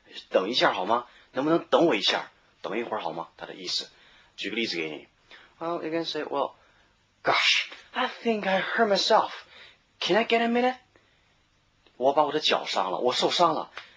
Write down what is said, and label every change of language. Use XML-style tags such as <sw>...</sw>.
<zh>等一下好吗能不能等我一下等一会儿好吗他的意思。举个例子给你。</zh> <en>Well, you can say, well, gosh, I think I hurt myself. Can I get a minute?</en> <zh>我把我的脚伤了我受伤了。</zh>